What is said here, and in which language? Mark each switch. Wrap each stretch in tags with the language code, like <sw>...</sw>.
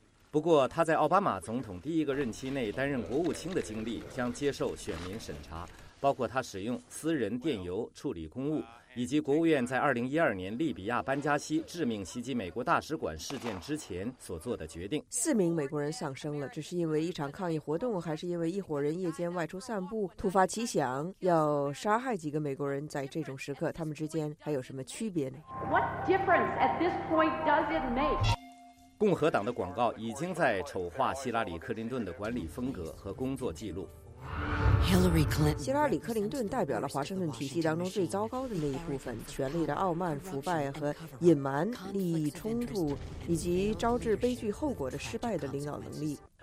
<zh>不过他在奥巴马总统第一个任期内担任国务卿的经历将接受选民审查，包括他使用私人电邮处理公务，以及国务院在2012年利比亚班加西致命袭击美国大使馆事件之前所做的决定。四名美国人丧生了，这是因为一场抗议活动，还是因为一伙人夜间外出散步突发奇想要杀害几个美国人？在这种时刻他们之间还有什么区别呢？</zh> <en>What difference at this point does it make?</en> <zh>共和党的广告已经在丑化希拉里·克林顿的管理风格和工作记录。希拉里·克林顿代表了华盛顿体系当中最糟糕的那一部分，权力的傲慢、腐败和隐瞒利益冲突，以及招致悲剧后果的失败的领导能力。</zh>